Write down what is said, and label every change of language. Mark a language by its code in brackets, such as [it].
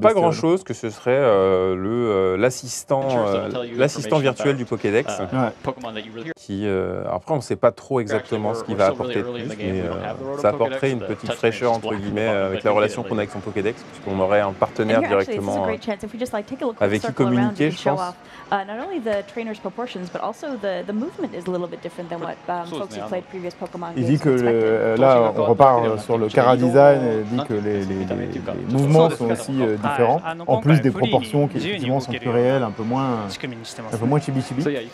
[fr] Pas grand-chose, que ce serait l'assistant virtuel du Pokédex. Après, on ne sait pas trop exactement ce qu'il va apporter de plus, mais ça apporterait une petite fraîcheur, entre guillemets, avec la relation qu'on a avec son Pokédex, puisqu'on aurait un partenaire directement avec qui communiquer, je pense. [en] Not only the trainer's proportions, but also the movement is a little bit different than what folks who played previous Pokémon. [fr] Il dit que là, on repart sur le chara-design, il dit que les mouvements sont aussi différents, en plus des proportions qui effectivement sont plus réelles, un peu moins chibi-chibi.